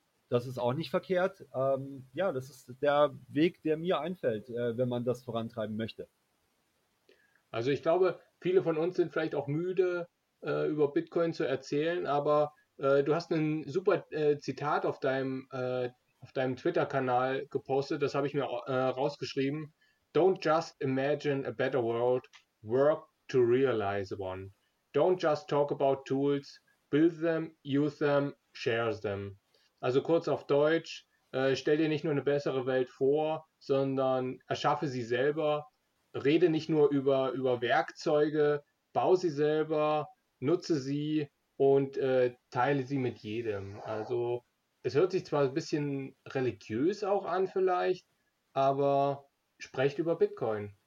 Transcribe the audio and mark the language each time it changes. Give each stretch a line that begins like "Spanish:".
German: Das ist auch nicht verkehrt. Ja, das ist der Weg, der mir einfällt, wenn man das vorantreiben möchte. Also ich glaube, viele von uns sind vielleicht auch müde, über Bitcoin zu erzählen, aber du hast ein super Zitat auf deinem Twitter-Kanal gepostet, das habe ich mir rausgeschrieben.
English: Don't just imagine a better world, work to realize one. Don't just talk about tools, build them, use them, share them.
German: Also kurz auf Deutsch, stell dir nicht nur eine bessere Welt vor, sondern erschaffe sie selber. Rede nicht nur über Werkzeuge, bau sie selber, nutze sie und teile sie mit jedem. Also es hört sich zwar ein bisschen religiös auch an vielleicht, aber sprecht über Bitcoin.